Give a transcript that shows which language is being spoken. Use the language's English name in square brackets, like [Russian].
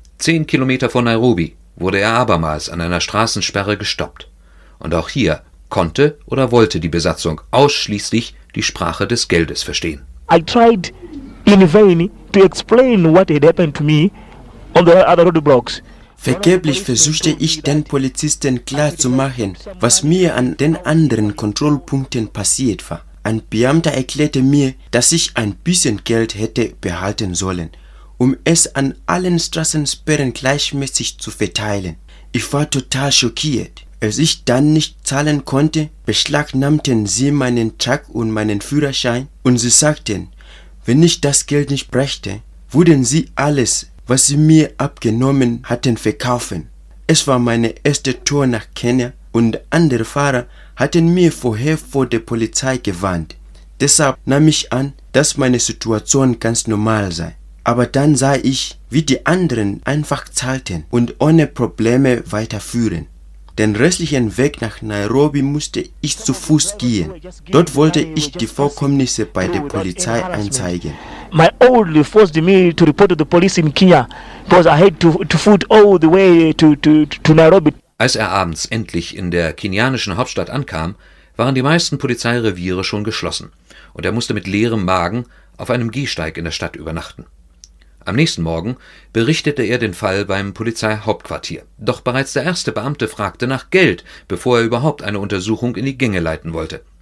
[German] 10 Kilometer vor Nairobi wurde er abermals an einer Straßensperre gestoppt. Und auch hier konnte oder wollte die Besatzung ausschließlich die Sprache des Geldes verstehen. [English] I tried in vain to explain what had happened to me on the other roadblocks. [German] Vergeblich versuchte ich, den Polizisten klarzumachen, was mir an den anderen Kontrollpunkten passiert war. Ein Beamter erklärte mir, dass ich ein bisschen Geld hätte behalten sollen, um es an allen Straßensperren gleichmäßig zu verteilen. Ich war total schockiert. Als ich dann nicht zahlen konnte, beschlagnahmten sie meinen Truck und meinen Führerschein und sie sagten, wenn ich das Geld nicht brächte, würden sie alles, was sie mir abgenommen hatten, verkaufen. Es war meine erste Tour nach Kenia und andere Fahrer hatten mir vorher vor der Polizei gewarnt. Deshalb nahm ich an, dass meine Situation ganz normal sei. Aber dann sah ich, wie die anderen einfach zahlten und ohne Probleme weiterführen. Den restlichen Weg nach Nairobi musste ich zu Fuß gehen. Dort wollte ich die Vorkommnisse bei der Polizei anzeigen. [English] My old forced me to report to the police in Kenya, because I had to foot all the way to Nairobi. [German] Als er abends endlich in der kenianischen Hauptstadt ankam, waren die meisten Polizeireviere schon geschlossen und er musste mit leerem Magen auf einem Gehsteig in der Stadt übernachten. Am nächsten Morgen berichtete er den Fall beim Polizeihauptquartier. Doch bereits der erste Beamte fragte nach Geld, bevor er überhaupt eine Untersuchung in die Gänge leiten wollte.